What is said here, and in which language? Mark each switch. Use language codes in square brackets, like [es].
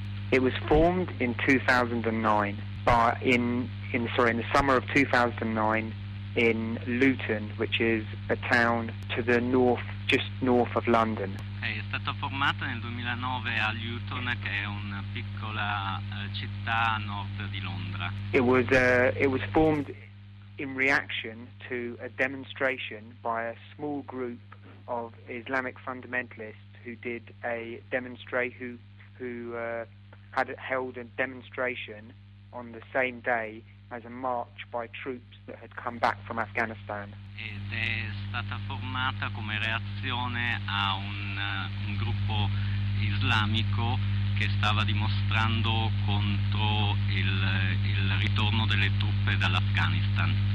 [en] It was formed in 2009, in the summer of 2009, in Luton, which is a town to the north, just north of London. [it] Okay, è stata formata nel 2009 a Luton, che è una piccola città a nord di Londra. [en] It was formed in reaction to a demonstration by a small group of Islamic fundamentalists who did a demonstration, who had held a demonstration on the same day as a march by troops that had come back from Afghanistan. [it] Ed è stata formata come reazione a un gruppo islamico che stava dimostrando contro il ritorno delle truppe dall'Afghanistan.